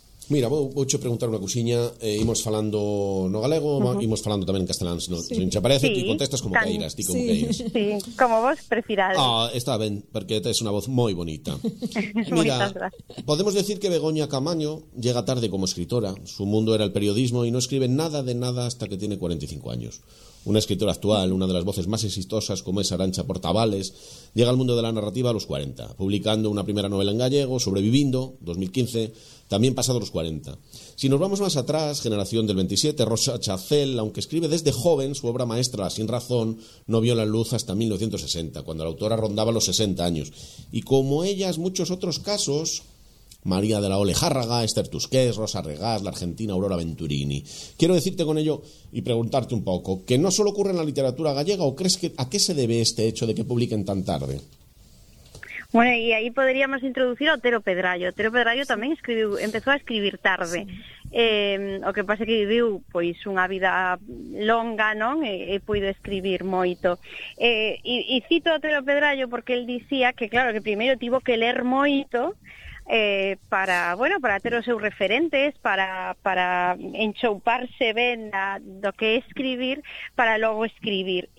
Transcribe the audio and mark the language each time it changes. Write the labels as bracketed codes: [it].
[gl] Mira, vou che preguntar unha cousiña, imos falando no galego, imos falando tamén en castelán, se non che parece, ti contestas como queiras, ti como queiras. Sí, como vos prefirades. Ah, está ben, porque tes unha voz moi bonita. Mira, [es] podemos decir que Begoña Caamaño llega tarde como escritora, su mundo era el periodismo e non escribe nada de nada hasta que tiene 45 años. una escritora actual, una de las voces más exitosas como es Arancha Portavales, llega al mundo de la narrativa a los 40, publicando una primera novela en gallego, Sobreviviendo, 2015, también pasado los 40. Si nos vamos más atrás, generación del 27, Rosa Chacel, aunque escribe desde joven, su obra maestra, Sin razón, no vio la luz hasta 1960, cuando la autora rondaba los 60 años. Y como ellas, muchos otros casos, María de la O. Lejárraga, Esther Tusqués, Rosa Regás, la argentina Aurora Venturini. Quiero decirte con ello y preguntarte un poco, ¿que no solo ocurre en la literatura gallega o crees que a qué se debe este hecho de que publiquen tan tarde? Bueno, y ahí podríamos introducir a Otero Pedrallo. Otero Pedrallo también escribió, empezó a escribir tarde. [gl] O que pasa que viviu pois unha vida longa, non? E puido escribir moito. E cito a Otero Pedrallo porque el dicía que claro, que primeiro tivo que ler moito para, bueno, para ter os seus referentes, para enchouparse ben a, do que escribir, para logo escribir.